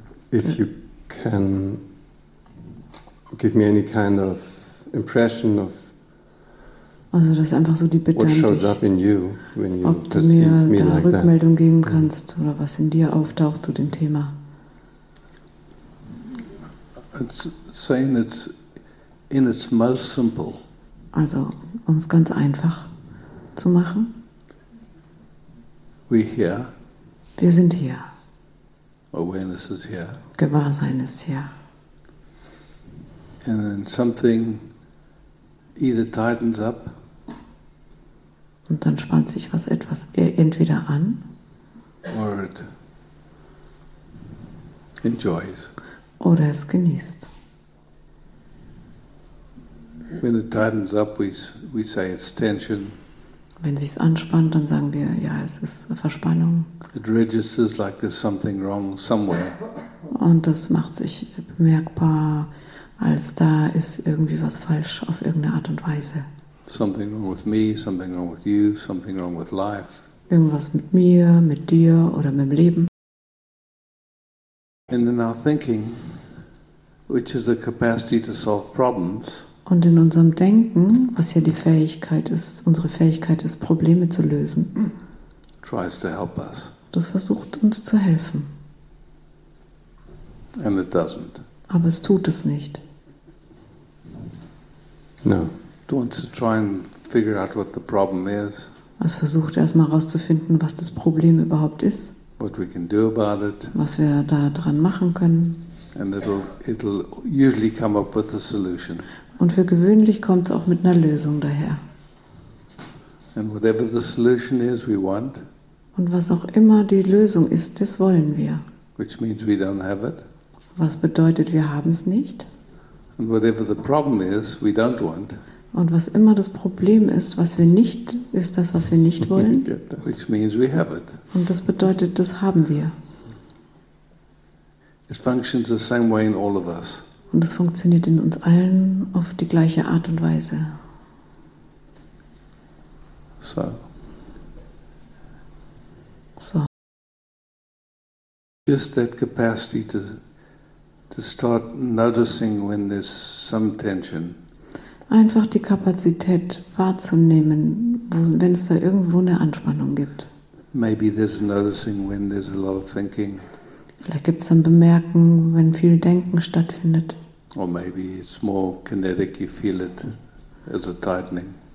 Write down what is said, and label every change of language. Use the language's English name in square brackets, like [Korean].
[English] If you can give me any kind of impression of [German] also das einfach so die Bitte, [English] what shows up in you when you perceive me like that. [German] Ob du mir da Rückmeldung geben kannst oder was in dir auftaucht zu dem Thema. [English] It's saying it's in its most simple. [German] Also um es ganz einfach zu machen. [English] We're here. [German] Wir sind hier. [English] Awareness is here. [German] Gewahrsein ist hier. [English] And then something either tightens up. [German] Und dann spannt sich was etwas entweder an. [English] Or it enjoys. [German] Oder es genießt. [English] When it tightens up, we say it's tension. [German] Wenn sich's anspannt, dann sagen wir, ja, es ist Verspannung. [English] It registers like there's something wrong somewhere. [German] Und das macht sich bemerkbar, als da ist irgendwie was falsch auf irgendeine Art und Weise. [English] Something wrong with me, something wrong with you, something wrong with life. [German] Irgendwas mit mir, mit dir oder mit dem Leben. [English] And in our thinking, which is the capacity to solve problems. [German] Und in unserem Denken, was ja die Fähigkeit ist, unsere Fähigkeit ist, Probleme zu lösen, [English] tries to help us. [German] Das versucht uns zu helfen. [English] And it doesn't. [German] Aber es tut es nicht. [English] No. It wants to try and figure out what the problem is. [German] Es versucht erstmal herauszufinden, was das Problem überhaupt ist. [English] What we can do about it. [German] Was wir da dran machen können. [English] And it'll usually come up with a solution. [German] Und für gewöhnlich kommt es auch mit einer Lösung daher. [English] And whatever the solution is, we want. [German] Und was auch immer die Lösung ist, das wollen wir. [English] Which means we don't have it. [German] Was bedeutet, wir haben es nicht. [English] And whatever the problem is, we don't want. [German] Und was immer das Problem ist, was wir nicht, ist das, was wir nicht wollen. [English] Which means we have it. [German] Und das bedeutet, das haben wir. [English] It functions the same way in all of us. [German] Und es funktioniert in uns allen auf die gleiche Art und Weise. So. So. [English] Just that capacity to start noticing when there's some tension. [German] Einfach die Kapazität wahrzunehmen, wenn es da irgendwo eine Anspannung gibt. [English] Maybe there's noticing when there's a lot of thinking. [German] Vielleicht gibt es dann Bemerken, wenn viel Denken stattfindet. [English] Or maybe it's more kinetic, you feel it as a tightening.